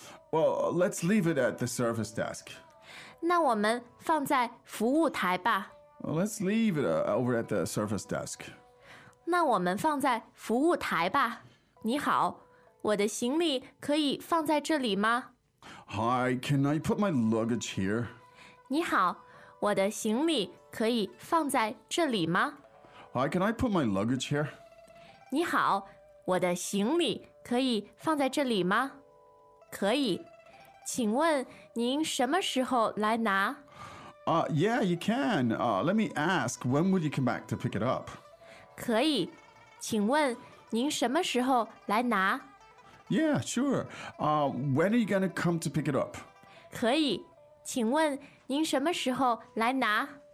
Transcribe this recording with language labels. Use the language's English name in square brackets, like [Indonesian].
[English] Well, let's leave it at the service desk. [Chinese] 那我们放在服务台吧。 [English] Well, let's leave it over at the service desk. [Chinese] 那我们放在服务台吧。你好，我的行李可以放在这里吗？ [English] Hi, can I put my luggage here? [Chinese] 你好，我的行李可以放在这里吗？ [English] Hi, can I put my luggage here? [Chinese] 你好，我的行李可以放在这里吗？可以，请问您什么时候来拿？ [English] Yeah, you can. Let me ask, when would you come back to pick it up? [Chinese] 可以，请问您什么时候来拿？ [English] Yeah, sure. When are you going to come to pick it up? [Chinese] 可以，请问您什么时候来拿？